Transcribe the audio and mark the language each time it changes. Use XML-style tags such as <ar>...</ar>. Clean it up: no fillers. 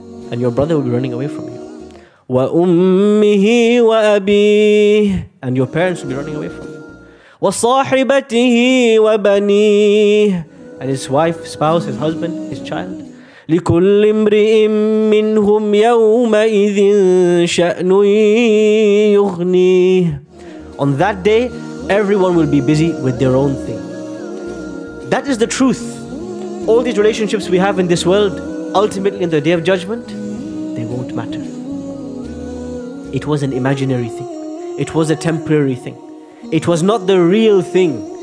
<en>And your brother will be running away from you.</en> <ar>وَأُمِّهِ وَأَبِيهِ.</ar> <en>And your parents will be running away from you.</en> <ar>وَصَاحِبَتِهِ وَبَنِيهِ.</ar> <en>And his wife, spouse, his husband, his child.</en> <ar>لكل امرئ منهم يومئذ شأن يغنيه.</ar> <en>On that day, everyone will be busy with their own thing. That is the truth. All these relationships we have in this world, ultimately in the day of judgment, they won't matter. It was an imaginary thing. It was a temporary thing. It was not the real thing.</en>